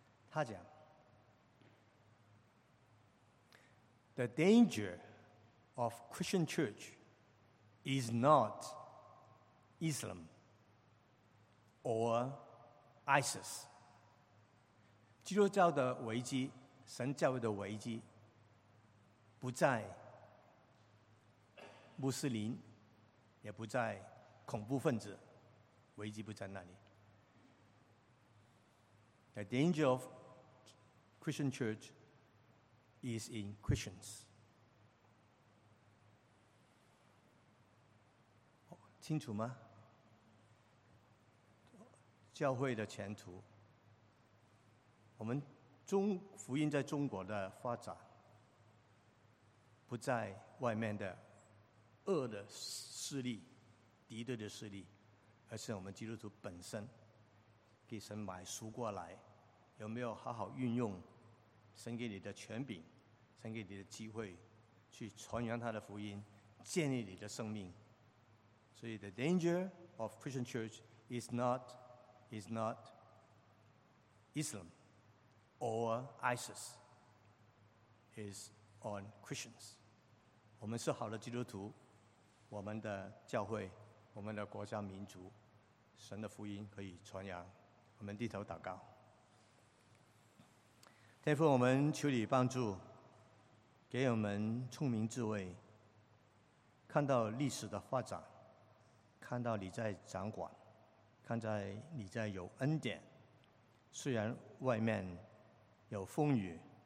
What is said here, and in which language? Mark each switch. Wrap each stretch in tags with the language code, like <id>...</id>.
<zh>他讲</zh> <en>The danger of Christian church is not Islam or ISIS。</en> <zh>基督教的危机，神教会的危机，不在穆斯林，也不在恐怖分子，危机不在那里。</zh> <en>The danger of Christian church is in Christians。</en> <zh>清楚吗？教会的前途，我们中福音在中国的发展，不在外面的恶的势力、敌对的势力，而是我们基督徒本身给神买赎过来，有没有好好运用神给你的权柄、神给你的机会，去传扬他的福音，建立你的生命。所以</zh> <en>the danger of Christian church is not Islam or ISIS, is on Christians。</en> <zh>我们是好的基督徒，我们的教会，我们的国家民族，神的福音可以传扬。我们低头祷告。天父，我们求你帮助，给我们聪明智慧，看到历史的发展，看到你在掌管，看在你在有恩典，虽然外面有风雨，</zh>